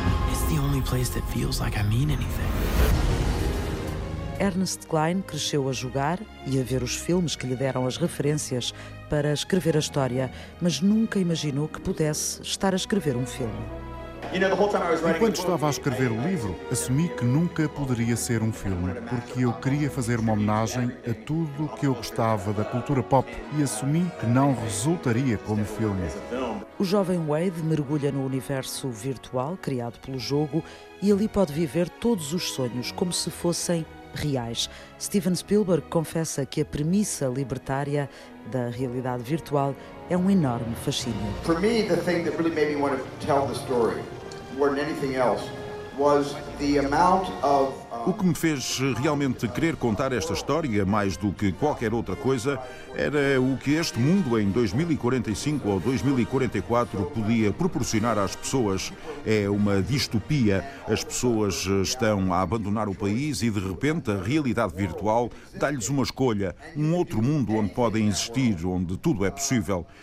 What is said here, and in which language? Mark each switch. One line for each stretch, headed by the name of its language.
English: It's the only place that feels like I mean anything.
Portuguese: Ernest Cline cresceu a jogar e a ver os filmes que lhe deram as referências para escrever a história, mas nunca imaginou que pudesse estar a escrever um filme. Enquanto estava a escrever o livro, assumi que nunca poderia ser um filme, porque eu queria fazer uma homenagem a tudo o que eu gostava da cultura pop e assumi que não resultaria como filme. O jovem Wade mergulha no universo virtual criado pelo jogo e ali pode viver todos os sonhos como se fossem reais. Steven Spielberg confessa que a premissa libertária da realidade virtual é um enorme fascínio.
English: For me, the thing that really made me want to tell the story, more than anything else, was the amount of...
Portuguese: O que me fez realmente querer contar esta história, mais do que qualquer outra coisa, era o que este mundo em 2045 ou 2044 podia proporcionar às pessoas. É uma distopia. As pessoas estão a abandonar o país e, de repente, a realidade virtual dá-lhes uma escolha, um outro mundo onde podem existir, onde tudo é possível.